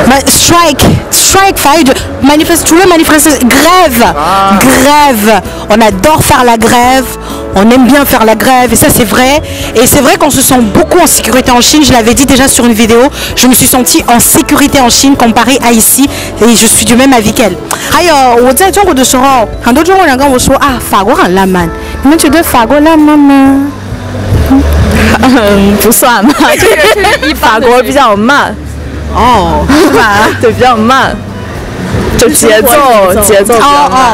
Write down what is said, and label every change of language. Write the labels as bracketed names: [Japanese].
[English] strike fighter manifest， [Chinese] 除了 [French] manifest， grève， grève， on adore faire la grève。 On aime bien faire la grève, et ça c'est vrai. Et c'est vrai qu'on se sent beaucoup en sécurité en Chine, je l'avais dit déjà sur une vidéo, je me suis sentie en sécurité en Chine comparée à ici, et je suis du même avis qu'elle. [Chinese] 还有我在中国的时候，很多中国人跟我说啊，法国很浪漫，你们觉得法国浪漫吗？不算吧，这个是以法国比较慢。哦，是吧？对，比较慢。就节奏比较慢。